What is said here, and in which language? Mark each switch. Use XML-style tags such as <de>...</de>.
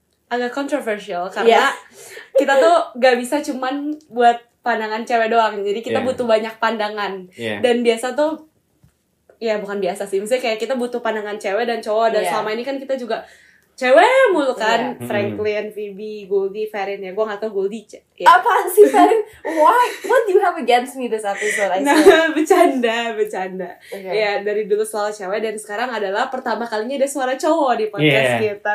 <id>agak kontroversial karena kita tuh gak bisa cuman buat pandangan cewek doang. Jadi kita butuh banyak pandangan. Yeah. Dan biasa tuh, ya bukan biasa sih, maksudnya kayak kita butuh pandangan cewek dan cowok. Dan selama ini kan kita juga cewek mulu kan. Yeah. Franklin, Phoebe, Goldie, Ferin. Ya, gue gak tau Goldie. Apaan sih Ferin?</id> <en>What do you have against me this episode?</en> <id>Nah, bercanda. Okay. Ya, dari dulu selalu cewek dan sekarang adalah pertama kalinya ada suara cowok di podcast kita.</id>